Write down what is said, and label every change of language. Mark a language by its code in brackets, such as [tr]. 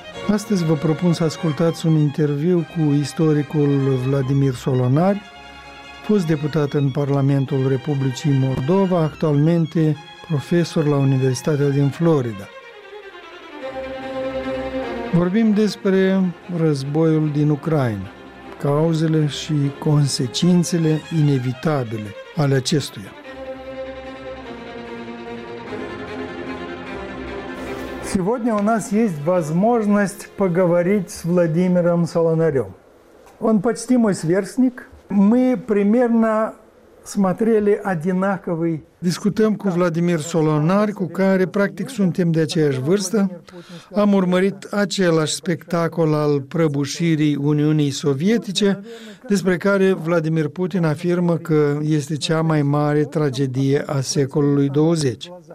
[ro] Astăzi vă propun să ascultați un interviu cu istoricul Vladimir Solonari, fost deputat în Parlamentul Republicii Moldova, actualmente profesor la Universitatea din Florida. Vorbim despre războiul din Ucraina, cauzele și consecințele inevitabile ale acestuia. [ru] Сегодня у нас есть возможность поговорить с Владимиром Солонарем. Он почти мой сверстник. Мы примерно смотрели одинаковый... [ro] Discutăm cu Vladimir Solonari, cu care practic suntem de aceeași vârstă. Am urmărit același spectacol al prăbușirii Uniunii Sovietice, despre care Vladimir Putin afirmă că este cea mai mare tragedie a secolului 20.